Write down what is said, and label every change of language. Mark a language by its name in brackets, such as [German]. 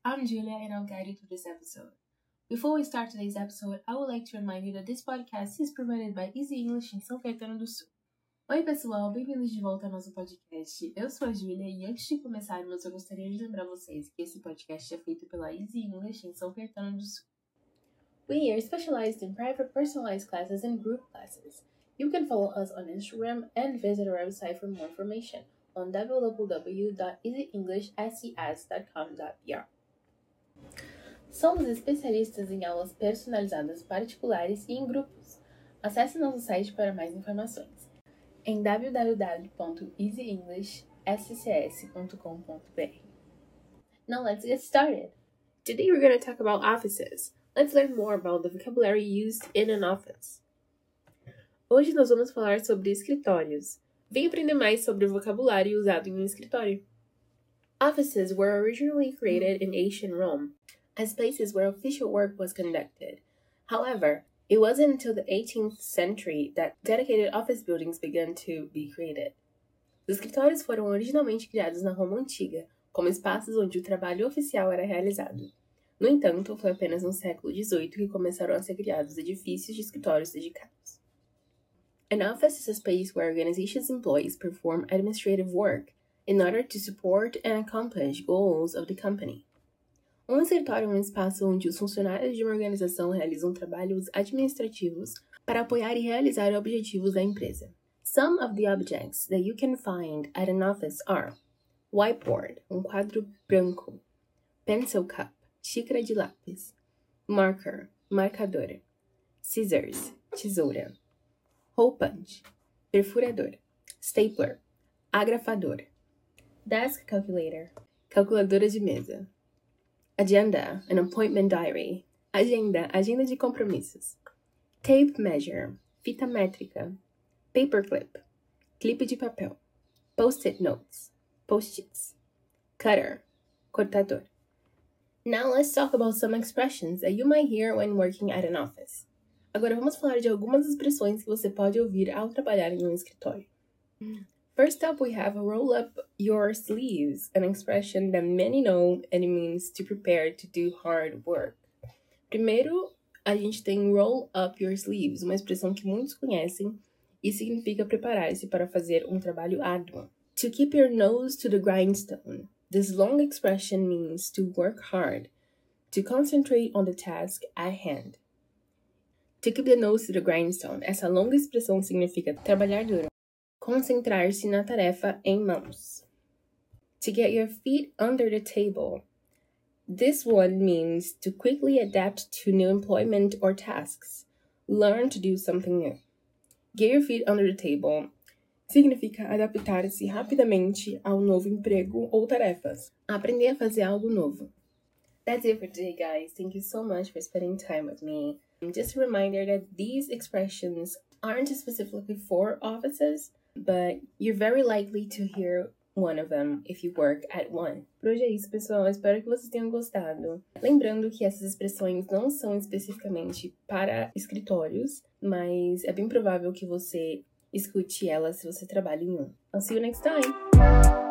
[English] I'm Julia and I'll guide you through this episode. Before we start today's episode, I would like to remind you that this podcast is provided by Easy English em São Caetano do Sul. [Portuguese] Oi pessoal, bem-vindos de volta ao nosso podcast. Eu sou a Julia e antes de começarmos, eu gostaria de lembrar vocês que esse podcast é feito pela Easy English em São Caetano do Sul. [English] We are specialized in private personalized classes and group classes. You can follow us on Instagram and visit our website for more information on www.easyenglishscs.com.br. [Portuguese] Somos especialistas em aulas personalizadas particulares e em grupos. Acesse nosso site para mais informações em www.easyenglishscs.com.br. [English] Now let's get started! Today we're going to talk about offices. Let's learn more about the vocabulary used in an office. [Portuguese] Hoje nós vamos falar sobre escritórios. Vem aprender mais sobre o vocabulário usado em um escritório. [English] Offices were originally created in ancient Rome as places where official work was conducted. However, it wasn't until the 18th century that dedicated office buildings began to be created. [Portuguese] Os escritórios foram originalmente criados na Roma Antiga, como espaços onde o trabalho oficial era realizado. No entanto, foi apenas no século XVIII que começaram a ser criados edifícios de escritórios dedicados. [English] An office is a space where organizations' employees perform administrative work in order to support and accomplish goals of the company. [Portuguese] Um escritório é um espaço onde os funcionários de uma organização realizam trabalhos administrativos para apoiar e realizar objetivos da empresa. [English] Some of the objects that you can find at an office are whiteboard, [Portuguese] um quadro branco, [English] pencil cup, [Portuguese] xícara de lápis, [English] marker, [Portuguese] marcador, [English] scissors, [Portuguese] tesoura, [English] hole punch, [Portuguese] perfurador, [English] stapler, [Portuguese] agrafador, [English] desk calculator, [Portuguese] calculadora de mesa, [English] agenda, an appointment diary, [Portuguese] agenda de compromissos, [English] tape measure, [Portuguese] fita métrica, [English] paperclip, [Portuguese] clipe de papel, [English] post-it notes, [Portuguese] post-its, [English] cutter, [Portuguese] cortador. [English] Now let's talk about some expressions that you might hear when working at an office. [Portuguese] Agora vamos falar de algumas expressões que você pode ouvir ao trabalhar em um escritório. [English] First up, we have a roll up your sleeves, an expression that many know and it means to prepare to do hard work. [Portuguese] Primeiro, a gente tem [English] roll up your sleeves, [Portuguese] uma expressão que muitos conhecem e significa preparar-se para fazer um trabalho árduo. [English] To keep your nose to the grindstone, this long expression means to work hard, to concentrate on the task at hand. To keep the nose to the grindstone, [Portuguese] essa longa expressão significa trabalhar duro, concentrar-se na tarefa em mãos. [English] To get your feet under the table, this one means to quickly adapt to new employment or tasks, learn to do something new. Get your feet under the table [Portuguese] significa adaptar-se rapidamente ao novo emprego ou tarefas, aprender a fazer algo novo. [English] That's it for today, guys. Thank you so much for spending time with me. Just a reminder that these expressions aren't specifically for offices, but you're very likely to hear one of them if you work at one. [Portuguese] Por hoje é isso, pessoal. Espero que vocês tenham gostado. Lembrando que essas expressões não são especificamente para escritórios, mas é bem provável que você escute elas se você trabalha em um. [English] I'll see you next time!